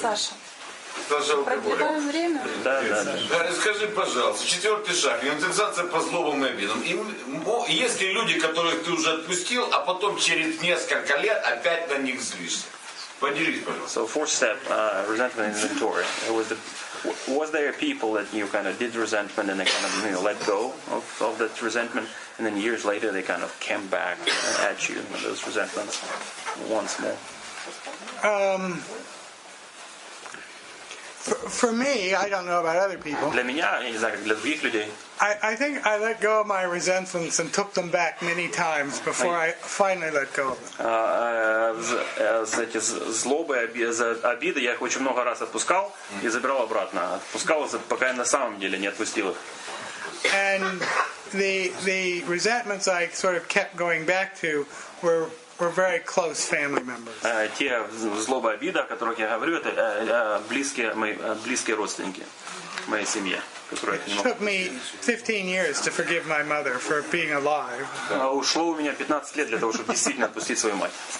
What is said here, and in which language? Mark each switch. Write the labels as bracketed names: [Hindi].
[Russian] Саша. Продлеваем время? Да, да, да. Да, скажи, пожалуйста, четвертый шаг, индексация по злобам и обидам. И, есть ли люди, которых ты уже отпустил, а потом через несколько лет опять на них злишься? Поделись, пожалуйста. [English] So, fourth step, resentment inventory. Was there people that you kind of did resentment and they kind of, you know, let go of that resentment, and then years later they kind of came back at you with those resentments once more? For me, I don't know about other people. [Russian] Для меня, я не знаю, для других людей. [English] I think I let go of my resentments and took them back many times before I finally let go of them. [Russian] Злобы, обиды я их очень много раз отпускал и забирал обратно. Отпускал, пока я на самом деле не отпустил их. [English] And the resentments I sort of kept going back to were very close family members. [Russian] Те злоба, обида, о которых я говорю, это близкие мои, близкие родственники моей семьи. [English] It took me 15 years to forgive my mother for being alive. [Russian] Ушло у меня 15 лет для того, чтобы действительно отпустить свою мать.